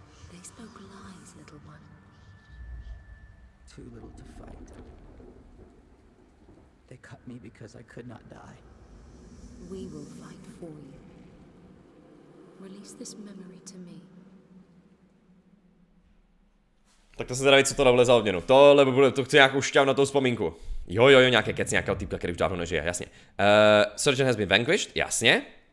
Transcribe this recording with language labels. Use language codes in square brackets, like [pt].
[en] They spoke lies, little one. Too little to fight. They cut me because I could not die. We will fight for you. Release this memory to me. [cs] Tak to se zdraví, co to dovolí za odměnu. Tohle bude, to chci nějakou šťavnatou vzpomínku. Jo, jo, jo, nějaké kec, nějakého týpka, který už dávno nežije, jasně. [en] Surgeon has been vanquished, [cs] jasně.